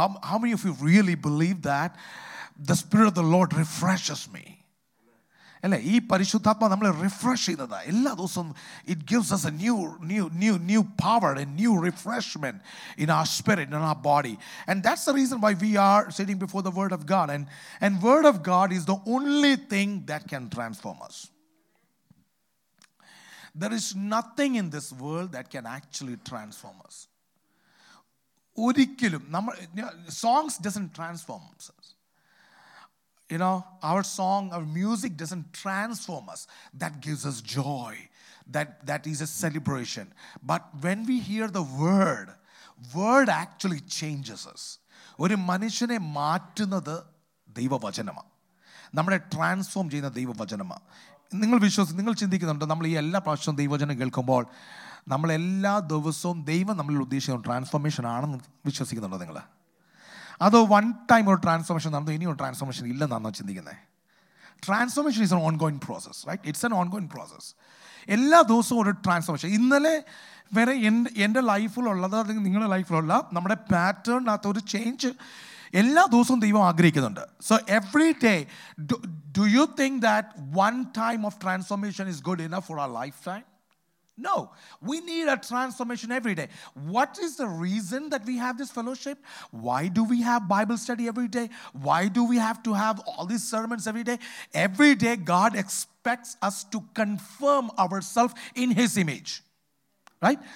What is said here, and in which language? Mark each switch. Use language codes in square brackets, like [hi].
[en] How many of you really believe that the Spirit of the Lord refreshes me? [ml] അല്ലേ, ഈ പരിശുദ്ധാത്മാ നമ്മളെ refresh ചെയ്യുന്നതാ എല്ലാ ദിവസവും. [en] It gives us a new power, a new refreshment in our spirit, in our body. And that's the reason why we are sitting before the word of God. And word of God is the only thing that can transform us. There is nothing in this world that can actually transform us. [ml] ഒരിക്കലും നമ്മൾ [en] Songs doesn't transform. You know, our song, our music doesn't transform us. That gives us joy. That is a celebration. But when we hear the word, word actually changes us. [ml] ഒരു മനുഷ്യനെ മാറ്റുന്നത് ദൈവവചനമാണ്. നമ്മളെ transform ചെയ്യുന്ന ദൈവവചനമാണ്. നിങ്ങൾ വിശ്വസിച്ച് നിങ്ങൾ ചിന്തിക്കുന്നുണ്ട്, നമ്മൾ ഈ എല്ലാ പ്രാവശ്യവും ദൈവവചനം കേൾക്കുമ്പോൾ നമ്മളെല്ലാ ദിവസവും ദൈവം നമ്മളിൽ ഉദ്ദേശിക്കുന്ന ട്രാൻസ്ഫോർമേഷൻ ആണെന്ന് വിശ്വസിക്കുന്നുണ്ടോ നിങ്ങൾ? അതോ [en] one time [ml] ഒരു ട്രാൻസ്ഫോർമേഷൻ നടന്നു, ഇനി ഒരു ട്രാൻസ്ഫോർമേഷൻ ഇല്ലെന്നാണോ ചിന്തിക്കുന്നത്? [en] Transformation is an ongoing process, right? It's an ongoing process. [ml] എല്ലാ ദിവസവും ഒരു ട്രാൻസ്ഫോർമേഷൻ. ഇന്നലെ വരെ എൻ്റെ ലൈഫിലുള്ളത് അല്ലെങ്കിൽ നിങ്ങളുടെ ലൈഫിലുള്ള നമ്മുടെ പാറ്റേണിനകത്ത് ഒരു ചേഞ്ച് എല്ലാ ദിവസവും ദൈവം ആഗ്രഹിക്കുന്നുണ്ട്. [en] So every day do you think that one time of transformation is good enough for our lifetime? No, we need a transformation every day. What is the reason that we have this fellowship? Why do we have Bible study every day? Why do we have to have all these sermons every day? Every day, God expects us to confirm ourselves in His image. Right?